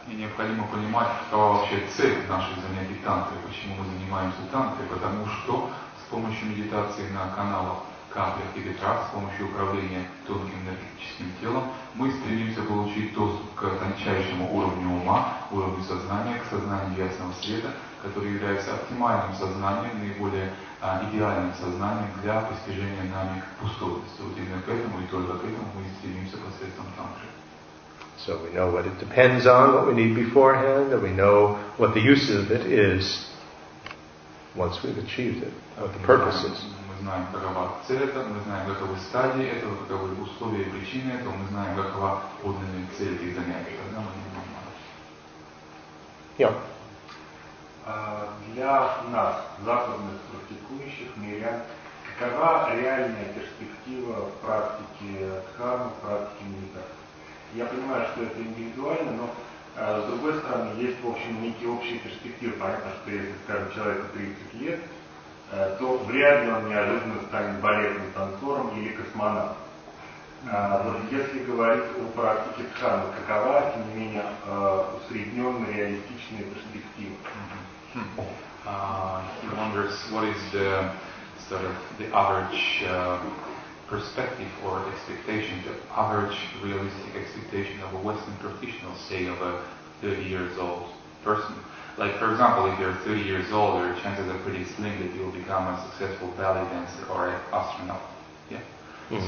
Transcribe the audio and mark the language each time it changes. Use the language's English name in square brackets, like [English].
[Russian] И необходимо понимать, какова вообще цель наших занятий тантрой, почему мы занимаемся тантрой, потому что с помощью медитации на каналах каплях и ветрах, с помощью управления тонким энергетическим телом, мы стремимся получить доступ к тончайшему уровню ума, уровню сознания, к сознанию ясного света, который является оптимальным сознанием, наиболее идеальным сознанием для постижения нами пустотности. Вот именно к этому и только к этому мы стремимся посредством тантры. [English] So we know what it depends on, what we need beforehand, and we know what the use of it is once we've achieved it, what the purpose is. [Russian] Мы знаем, какова цель этого, мы знаем, каковы стадии этого, каковы условия и причины этого, мы знаем, какова подлинная цель этих занятий. Тогда мы не можем знать. Yeah. Для нас, западных практикующих мирян, какова реальная перспектива практики дхармы, практики медитации? Я понимаю, что это индивидуально, но с другой стороны, есть, в общем, некие общие перспективы. Понятно, что если, скажем, человеку 30 лет, то вряд ли он неожиданно станет балетным танцором или космонавтом. Вот если говорить о практике дхармы, какова, тем не менее, усредненная реалистичная перспектива? [English] He wonders, what is the sort of the average perspective or expectation, the average realistic expectation of a Western professional, say of a 30 years old person. Like, for example, if you're 30 years old, your chances are pretty slim that you'll become a successful ballet dancer or an astronaut. Yeah. Mm-hmm.